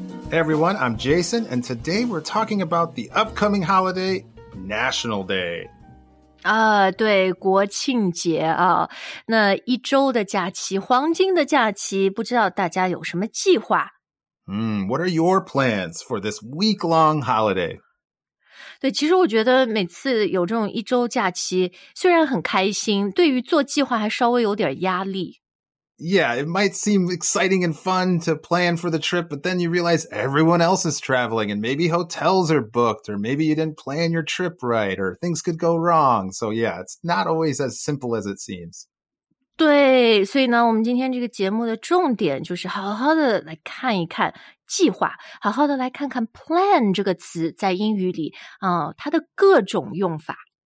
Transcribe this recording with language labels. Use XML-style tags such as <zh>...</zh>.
<en>Hey everyone, I'm Jason, and today we're talking about the upcoming holiday, National Day.</en> <zh>对，国庆节啊，那一周的假期，黄金的假期，不知道大家有什么计划？</zh> <en>What are your plans for this week-long holiday?</en> <zh>对，其实我觉得每次有这种一周假期，虽然很开心，对于做计划还稍微有点压力。</zh> <en>Yeah, it might seem exciting and fun to plan for the trip, but then you realize everyone else is traveling and maybe hotels are booked or maybe you didn't plan your trip right or things could go wrong. So yeah, it's not always as simple as it seems.</en> <zh>对，所以呢，我们今天这个节目的重点就是好好的来看一看计划，好好的来看看 plan 这个词在英语里，它的各种用法。</zh>